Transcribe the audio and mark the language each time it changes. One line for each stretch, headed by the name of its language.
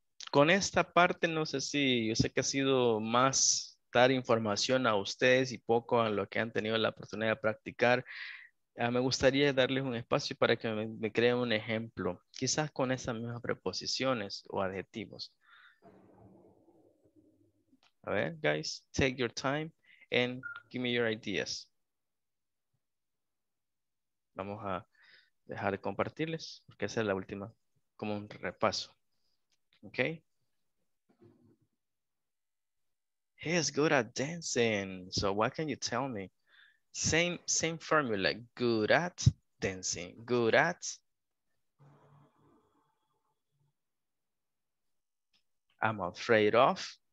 Spanish: Con esta parte, no sé si, yo sé que ha sido más dar información a ustedes y poco a lo que han tenido la oportunidad de practicar. Me gustaría darles un espacio para que me creen un ejemplo, quizás con esas mismas preposiciones o adjetivos. A ver,
English: guys, take your time and give me your ideas.
Spanish: Vamos a dejar de compartirles, porque esa es la última, como un repaso. Ok.
English: He is good at dancing, so what can you tell me? Same formula, good at dancing, good at I'm afraid of.